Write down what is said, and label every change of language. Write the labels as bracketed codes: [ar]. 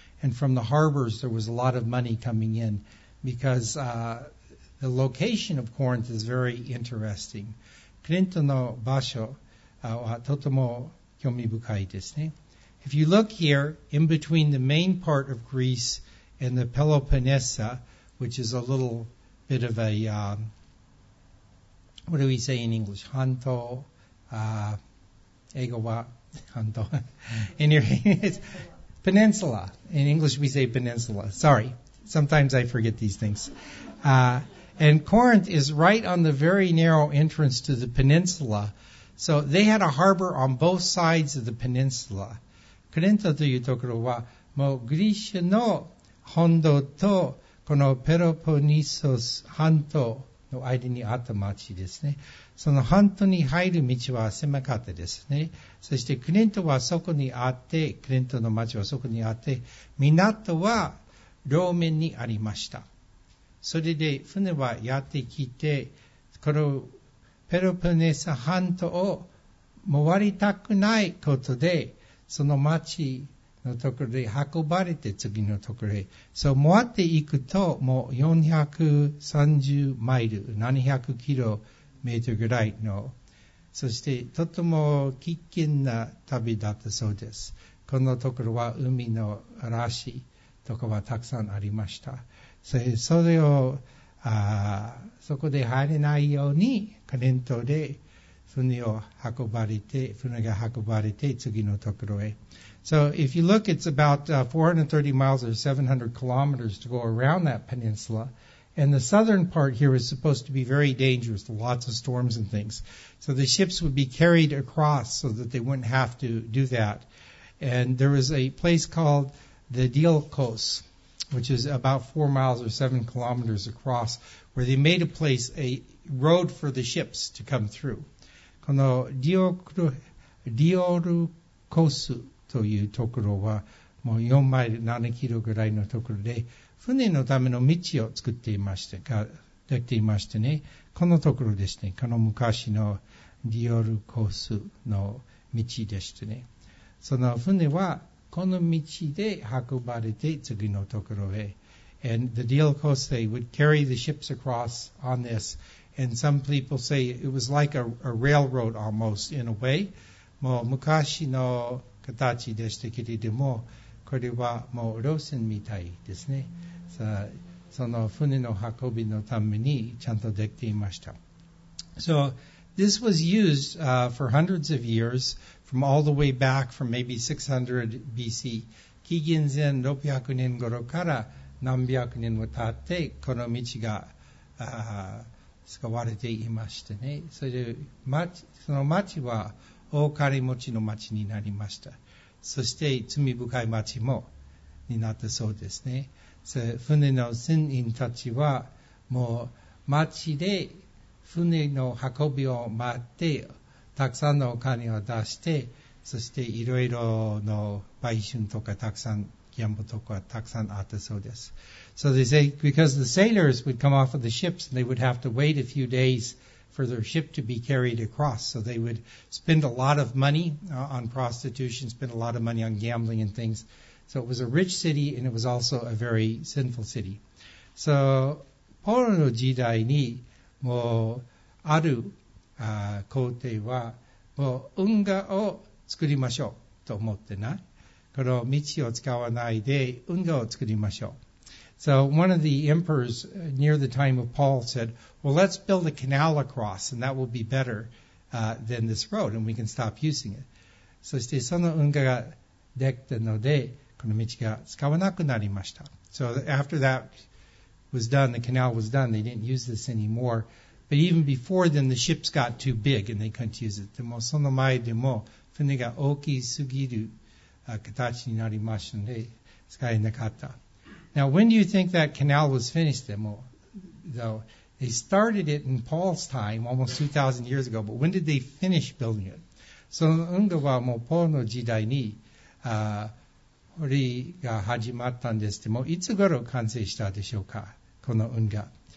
[en] And from the harbors there was a lot of money coming in because the location of Corinth is very interesting. [ja] クリントの場所はとても興興味深いですね。 [en] If you look here, in between the main part of Greece and the Peloponnesa, which is a little bit of a, what do we say in English? [ja] 半島、英語は半島。 [en] In your, it's peninsula. In English we say peninsula. Sorry. Sometimes I forget these things. And Corinth is right on the very narrow entrance to the peninsula. So they had a harbor on both sides of the peninsula. [ja] クレントというところは、もうギリシャの本土とこのペロポニソス半島の間にあった町ですね。その半島に入る道は狭かったですね。そしてクレントはそこにあって、クレントの町はそこにあって、港は両面にありました。それで船はやってきて、このペロポニソス半島を回りたくないことで、その町のところで運ばれて次のところへ。そう、回っていくと、もう430マイル、700キロメートルぐらいの、そしてとても危険な旅だったそうです。このところは海の嵐とかはたくさんありました。それを、そこで入れないように、カレントで、船が運ばれて次のところへ。 [en] So if you look, it's about 430 miles or 700 kilometers to go around that peninsula. And the southern part here is supposed to be very dangerous, lots of storms and things. So the ships would be carried across so that they wouldn't have to do that. And there was a place called the Delkos, which is about 4 miles or 7 kilometers across, where they made a place, a road for the ships to come through. [ja] このディオルコスというところはもう4マイル7キロぐらいのところで船のための道を作っていましたが、できていましたね。このところですね。この昔のディオルコスの道でしたね。その船はこの道で運ばれて次のところへ。 [en] And the deal coast, they would carry the ships across on this. And some people say it was like a railroad almost in a way. [ja] もう昔の形でしたけれども、これはもう路線みたいですね。その船の運びのためにちゃんとできていました。 [en] So this was used for hundreds of years from all the way back from maybe 600 BC. [ja] 紀元前600年頃から何百年も経ってこの道が、使われていましたね。それで その町は大金持ちの町になりました。そして罪深い町もになったそうですね。船の船員たちはもう町で船の運びを待ってたくさんのお金を出して、そしていろいろの売春とかたくさんギャンブルとかたくさんあったそうです。 [en] So they say, because the sailors would come off of the ships and they would have to wait a few days for their ship to be carried across. So they would spend a lot of money on prostitution, spend a lot of money on gambling and things. So it was a rich city and it was also a very sinful city. [ja] So, ポロの時代にもうある皇帝はもう運河を作りましょうと思ってな。この道を使わないで運河を作りましょう。 [en] So one of the emperors near the time of Paul said, well, let's build a canal across, and that will be better than this road, and we can stop using it. [ja] そしてその運河ができたので、この道が使わなくなりました。 [en] So after that was done, the canal was done, they didn't use this anymore. But even before then, the ships got too big, and they couldn't use it. [ja] でもその前でも船が大きすぎる形になりましたので、使えなかった。 [en] Now, when do you think that canal was finished, though? They started it in Paul's time, almost 2,000 years ago, but when did they finish building it? [ja] その運河はもうポールの時代に堀が始まったんですけども、いつ頃完成したでしょうか、この運河。